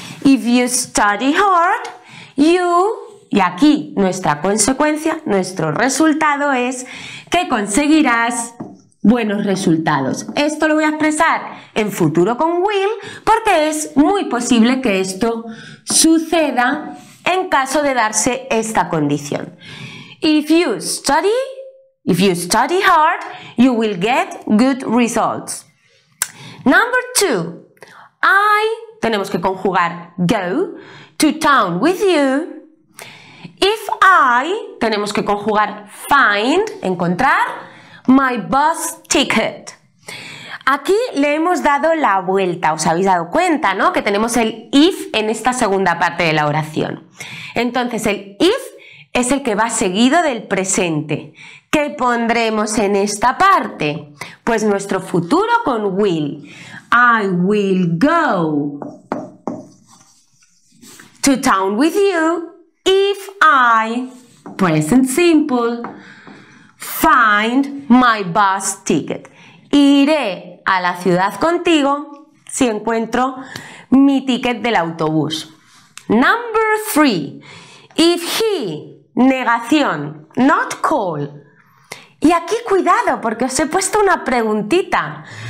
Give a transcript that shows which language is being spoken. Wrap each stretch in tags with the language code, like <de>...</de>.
<en>If you study hard, you...</en> <es>Y aquí nuestra consecuencia, nuestro resultado es que conseguirás buenos resultados. Esto lo voy a expresar en futuro con will porque es muy posible que esto suceda en caso de darse esta condición.</es> <en>If you study hard, you will get good results. Number two, I...</en> <es>Tenemos que conjugar</es> <en>go to town with you. If I,</en> <es>tenemos que conjugar</es> <en>find, encontrar, my bus ticket.</en> <es>Aquí le hemos dado la vuelta, os habéis dado cuenta, ¿no? Que tenemos el if en esta segunda parte de la oración. Entonces el if es el que va seguido del presente. ¿Qué pondremos en esta parte? Pues nuestro futuro con will.</es> <en>I will go to town with you if I, present simple, find my bus ticket.</en> <es>Iré a la ciudad contigo si encuentro mi ticket del autobús.</es> <en>Number three. If he, negación, not call.</en> <es>Y aquí cuidado porque os he puesto una preguntita.</es>